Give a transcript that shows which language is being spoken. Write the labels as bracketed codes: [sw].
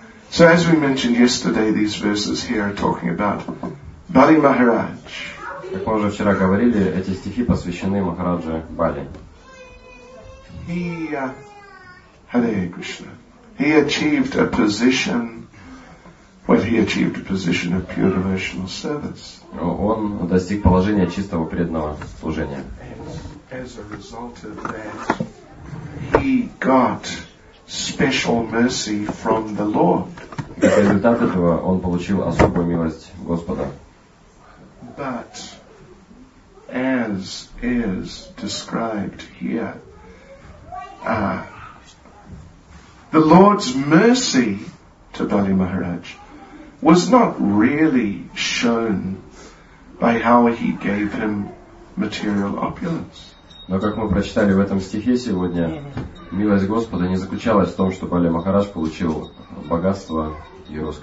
[en] So as we mentioned yesterday, these verses here are talking about Bali Maharaj. [ru] Как мы уже вчера говорили, эти стихи посвящены Махараджу Бали. [en] Hare Krishna. He achieved a position. Well, he achieved a position of pure devotional service. [ru] Он достиг положения чистого преданного служения. [en] As a result of that, he got special mercy from the Lord. [ru] В результате этого он получил особую милость Господа. [en] But as is described here, the Lord's mercy to Bali Maharaj was not really shown by how he gave him material opulence. [ru] Но как мы прочитали в этом стихе сегодня, милость Господа не заключалась в том, что Бали Махарадж получил богатство и